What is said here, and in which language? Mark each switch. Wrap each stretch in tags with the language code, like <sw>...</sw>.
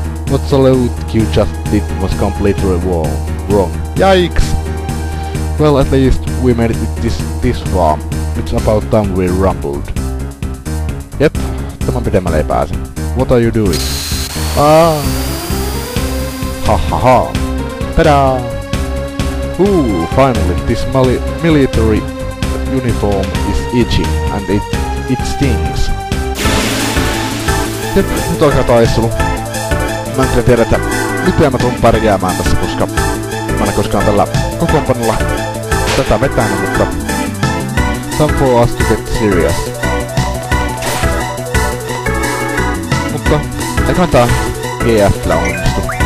<en>What salute you just did was completely wrong. Yikes! Well, at least we made it this far. It's about time we rumbled.</en> <fi>Yep, tämän pidemmälle ei pääse.</fi> <en>What are you doing? Ah! Ha ha ha! Ta-da! Ooh, finally, this military uniform is itchy and it stings.</en> <fi>Jep, nyt alkaa taistelu. Mä en kyllä tiedä, että miten mä tuun pärjäämään tässä, koska mä en koskaan tällä kokoonpanolla tätä vetänyt, mutta</fi> <en>time for us to get serious.</en> <fi>Mutta eiköhän tää GF:llä onnistu.</fi>